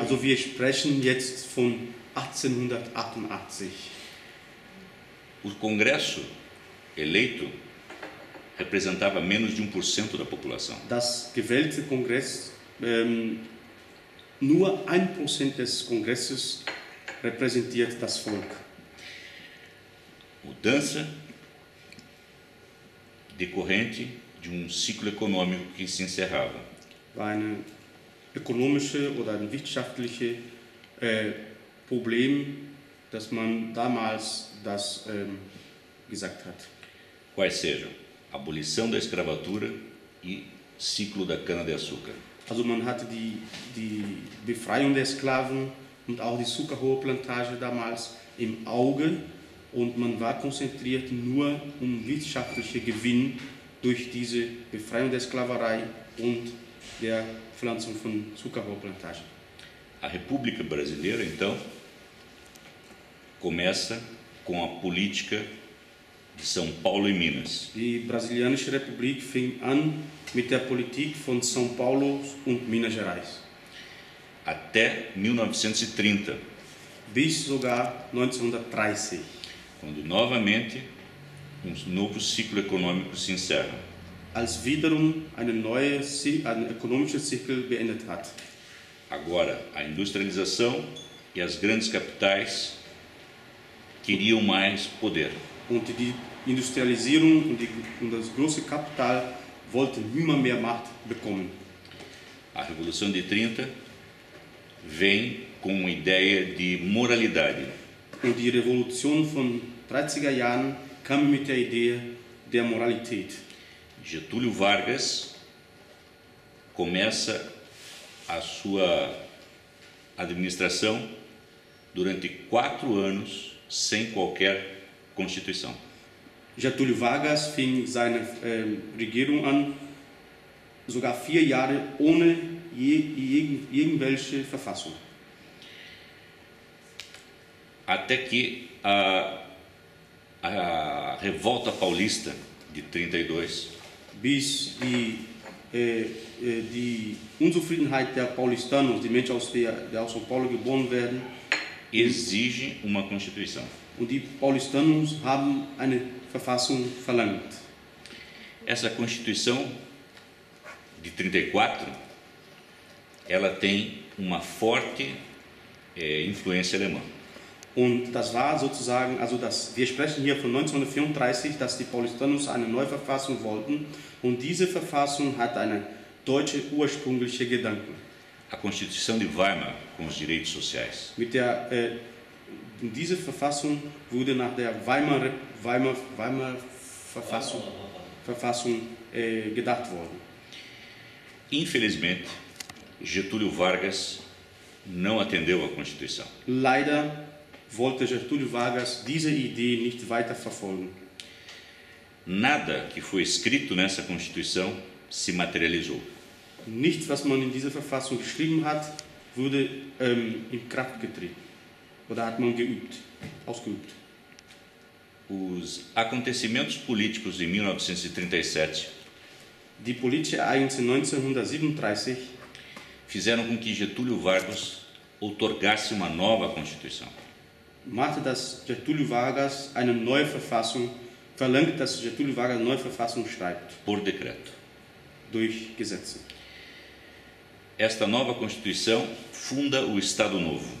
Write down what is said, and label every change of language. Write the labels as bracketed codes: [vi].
[de] Also wir sprechen jetzt von 1888. [pt] O Congresso eleito representava menos de 1% da população. [de] Das gewählte Kongress nur 1% des Kongresses repräsentiert das Volk. [pt] Mudança decorrente de ciclo econômico que se encerrava. [de] War eine ökonomische oder ein wirtschaftliche Problem, das man damals das gesagt hat. [pt] Quais sejam? Abolição da escravatura e ciclo da cana-de-açúcar. [de] Also man hatte die Befreiung der Sklaven und auch die Zuckerrohrplantage damals im Auge und man war konzentriert nur wirtschaftliche Gewinn durch diese Befreiung der Sklaverei und der Pflanzung von Zuckerrohrplantagen. [pt] A República Brasileira, então, começa com a política de São Paulo e Minas. [de] Die brasilianische Republik fing an mit der Politik von São Paulo und Minas Gerais. [pt] Até 1930. [de] Bis sogar 1930. [pt] Quando novamente um novo ciclo econômico se encerra. [de] Als wiederum ein ökonomischer Zirkel beendet hat. [pt] Agora a industrialização e as grandes capitais queriam mais poder. [de] Und die Industrialisierung und das große Kapital wollten immer mehr Macht bekommen. [pt] A Revolução de 30 vem com uma ideia de moralidade. [de] Und die Revolution von 30er Jahren kam mit der Idee der Moralität. [pt] Getúlio Vargas começa a sua administração durante 4 anos sem qualquer constituição. [de] Getúlio Vargas fing seine Regierung an sogar 4 Jahre ohne irgendwelche Verfassung. [pt] Até que a Revolta Paulista de 32, [de] bis die Unzufriedenheit der Paulistanos, die Menschen aus São Paulo geboren werden, [pt] exige uma Constituição. [de] Und die Paulistanos haben eine Verfassung verlangt. [pt] Essa Constituição de 34, ela tem uma forte influência alemã. [de] Und das war sozusagen, also das, wir sprechen hier von 1934, dass die Paulistanos eine neue Verfassung wollten und diese Verfassung hat einen deutschen ursprünglichen Gedanken. [pt] A Constituição de Weimar com os direitos sociais. [de] Mit der diese Verfassung wurde nach der Weimar Verfassung gedacht worden. [pt] Infelizmente, Getúlio Vargas não atendeu à Constituição. [de] Leider wollte Getúlio Vargas diese Idee nicht weiter verfolgen. [pt] Nada que foi escrito nessa Constituição se materializou. [de] Nichts, was man in dieser Verfassung geschrieben hat, wurde in Kraft getreten. Oder hat man geübt, ausgeübt. [pt] Os acontecimentos políticos de 1937. [de] Die politische Ereignisse 1937 [pt] fizeram com que Getúlio Vargas outorgasse uma nova Constituição. [de] Machte, dass Getúlio Vargas eine neue Verfassung verlangt, dass Getúlio Vargas eine neue Verfassung schreibt. [pt] Por decreto. [de] Durch Gesetze. [pt] Esta nova Constituição funda o Estado Novo.